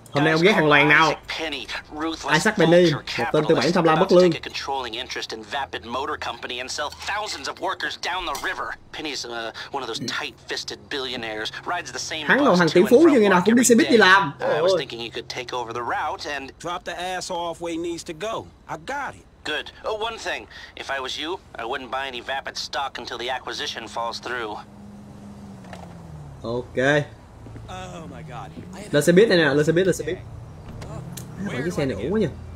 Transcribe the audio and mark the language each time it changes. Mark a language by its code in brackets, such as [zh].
[vi] Hôm nay ông ghét thằng Loan nào? Isaac Penny, một tên tư bản tham lam bất lương. [en] Take a controlling interest in Vapid Motor Company and sell thousands of workers down the river. Penny's one of those tight-fisted billionaires, rides the same bus. [vi] Hắn là thằng tỷ phú nhưng ngày nào cũng đi xe buýt đi làm. [en] I was thinking you could take over the route and drop the ass off where he needs to go. I got it. Good. Oh, one thing. If I was you, I wouldn't buy any Vapid stock until the acquisition falls through. Okay. Oh my god. [vi] Lên xe buýt này nè, lên xe buýt, lên xe buýt. Mấy cái xe này ủ quá nhỉ.